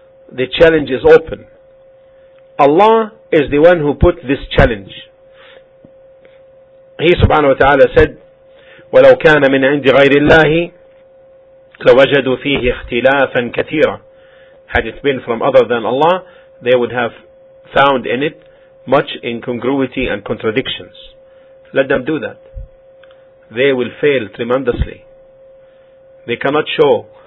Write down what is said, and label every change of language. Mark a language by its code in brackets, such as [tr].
[en] The challenge is open. Allah is the one who put this challenge. He subhanahu wa ta'ala said, [ar] وَلَوْ كَانَ مِنْ عِنْدِ غَيْرِ اللَّهِ لَوَجَدُوا فِيهِ اخْتِلَافًا كَثِيرًا. [en] Had it been from other than Allah, they would have found in it much incongruity and contradictions. Let them do that. They will fail tremendously. They cannot show.